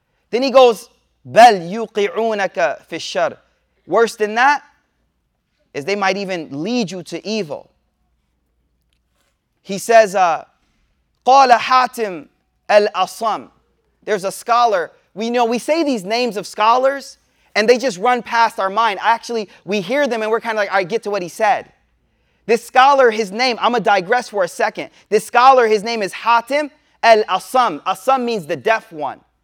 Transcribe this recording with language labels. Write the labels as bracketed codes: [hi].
[en] Then he goes, [ar] بَلْ يُقِعُونَكَ فِي الشَّرْ. [en] Worse than that is they might even lead you to evil. He says, [ar] قَالَ حَاتِمْ الْأَصَمْ. [en] There's a scholar. We say these names of scholars and they just run past our mind. Actually, we hear them and we're kind of like, all right, get to what he said. This scholar, his name, I'm going to digress for a second. This scholar, his name is حَاتِمْ الْأَصَمْ. أَصَمْ means the deaf one.